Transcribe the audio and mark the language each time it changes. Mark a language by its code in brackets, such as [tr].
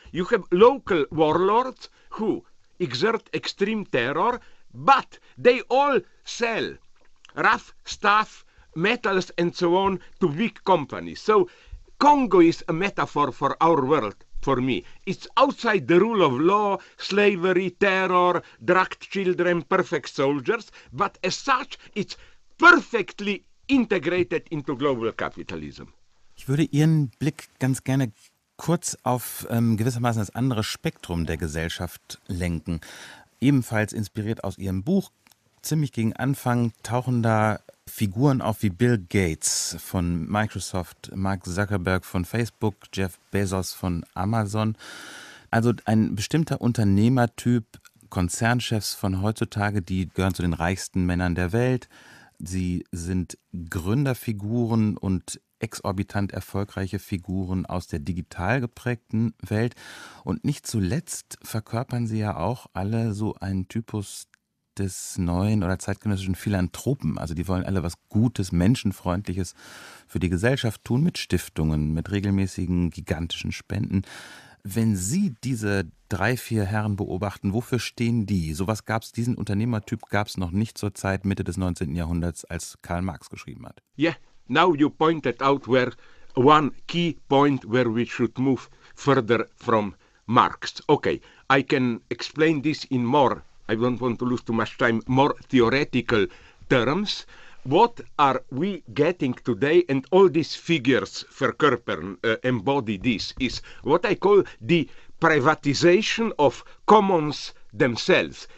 [en] You have local warlords who exert extreme terror, but they all sell rough stuff, metals and so on to big companies. So Congo is a metaphor for our world. For me, it's outside the rule of law, slavery, terror, drugged children, perfect soldiers, but as such, it's perfectly integrated into global capitalism. [de] Ich würde Ihren Blick ganz gerne kurz auf gewissermaßen das andere Spektrum der Gesellschaft lenken. Ebenfalls inspiriert aus Ihrem Buch, ziemlich gegen Anfang tauchen da Figuren auf wie Bill Gates von Microsoft, Mark Zuckerberg von Facebook, Jeff Bezos von Amazon. Also ein bestimmter Unternehmertyp, Konzernchefs von heutzutage, die gehören zu den reichsten Männern der Welt. Sie sind Gründerfiguren und exorbitant erfolgreiche Figuren aus der digital geprägten Welt. Und nicht zuletzt verkörpern sie ja auch alle so einen Typus des neuen oder zeitgenössischen Philanthropen. Also die wollen alle was Gutes, Menschenfreundliches für die Gesellschaft tun mit Stiftungen, mit regelmäßigen, gigantischen Spenden. Wenn Sie diese drei, vier Herren beobachten, wofür stehen die? Sowas gab es, diesen Unternehmertyp gab es noch nicht zur Zeit Mitte des 19. Jahrhunderts, als Karl Marx geschrieben hat. [en] Yeah, now you pointed out where one key point where we should move further from Marx. Okay, I can explain this in more, I don't want to lose too much time, more theoretical terms. What are we getting today, and all these figures [de] verkörpern, [en] embody this, is what I call the privatization of commons themselves.